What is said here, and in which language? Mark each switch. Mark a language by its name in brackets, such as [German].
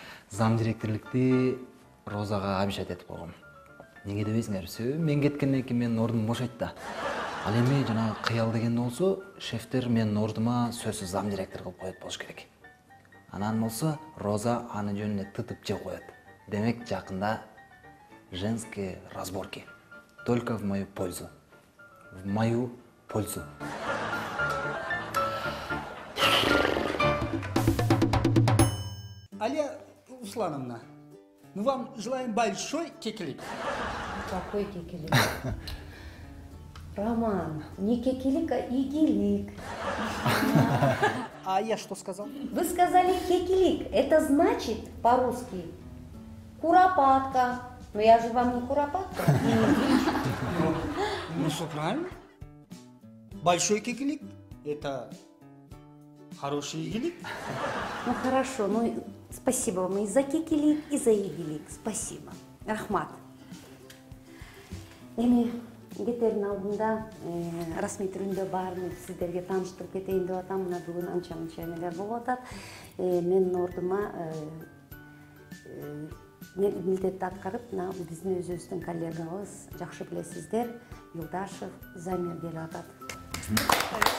[Kyrgyz] Зам директорликти Розага [Russian] обещать [Kyrgyz] этип койгом. Неге дебейсиң, арсөө мен кеткенден кийин менин ордум бошойт да. Ал эми жанагы кыял дегенде болсо, шефтер менин ордума сөзсүз зам директор кылып коет болуш керек. Анан болсо Роза аны жөнүнө тытып же коет. Демек жакында [Russian] женские разборки. Только в мою пользу. В мою пользу. Алия Руслановна, мы вам желаем большой кекелик. Какой кекелик? Роман, не кекелик, а игелик. А я что сказал? Вы сказали кекелик. Это значит по-русски куропатка. Но я же вам не куропатка. Ну что, правильно? Большой кекелик – это хороший игелик. Ну хорошо, ну спасибо вам и за кекелик, и за игелик. Спасибо. [Kyrgyz] Рахмат. Эми, кетерин алдында, расмий түрүндө баарын сиздерге тааныштырып кетейин деп атам. Мына бүгүн анча-мынча эмелер болуп атат. Менин ордума милдетти аткарып, мына биздин өзүбүздүн коллегабыз, жакшы билесиздер, Юлдашев Замир келип атат.